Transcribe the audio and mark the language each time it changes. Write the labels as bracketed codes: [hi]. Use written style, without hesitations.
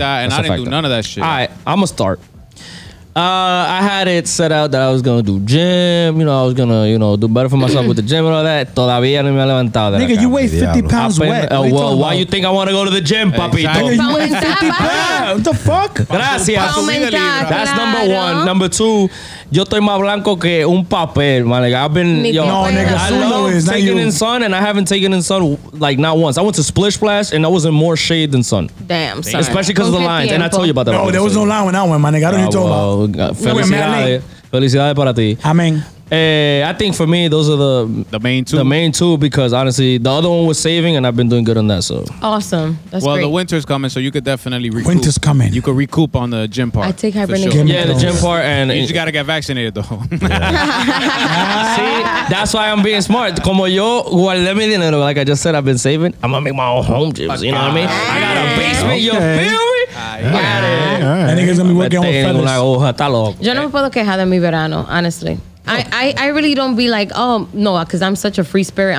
[en] And I didn't do none of that shit. All right, I'm gonna start. I had it set out that I was gonna do gym. You know, I was gonna, you know, do better for myself with the gym and all that. [es] Todavía no me ha levantado. [en] Nigga, you weigh 50 pounds wet. Well, why you think I want to go to the gym, papito? Nigga, you weigh 50 pounds. What the fuck? Gracias. That's number one. Number two, [es] yo estoy más blanco que un papel, man. [en] Like, I've been, I love taking in sun, and I haven't taken in sun like not once. I went to Splish Splash, and I was in more shade than sun. Damn, sorry. Especially because of the lines. And I told you about that. No, there was no line when I went, man. I don't even talk about. [es] Felicidades para ti. [en] Amen. I think for me, those are the main two. The main two, because honestly, the other one was saving, and I've been doing good on that. So awesome. That's well, great. The winter's coming, so you could definitely recoup. Winter's coming. You could recoup on the gym part. I take hibernation. Sure. Yeah, the gym part, and you just gotta get vaccinated though. See, that's why I'm being smart. [es] Como yo guardé mi dinero, [en] like I just said, I've been saving. I'm gonna make my own home gym. You know what I mean? I got a basement. Okay. You feel me? [es] Yo no me puedo quejar de mi verano, honestly. [en] I really don't be like, oh no, because I'm such a free spirit.